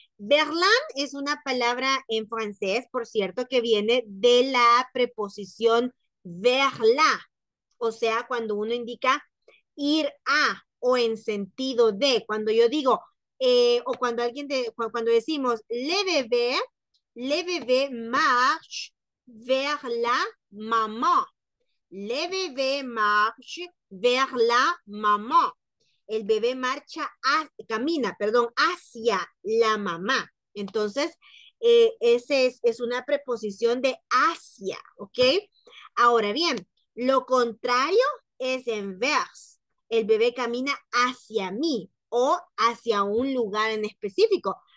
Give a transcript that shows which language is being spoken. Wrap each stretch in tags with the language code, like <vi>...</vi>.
<es>Verlan es una palabra en francés, por cierto, que viene de la preposición verla, o sea, cuando uno indica ir a o en sentido de. Cuando yo digo, o cuando alguien, cuando decimos</es> <fr>le bébé marche vers la maman. Le bébé marche vers la maman.</fr> <es>El bebé camina, perdón, hacia la mamá. Entonces, ese es una preposición de hacia, ¿ok? Ahora bien, lo contrario es en vers. El bebé camina hacia mí o hacia un lugar en específico.</es>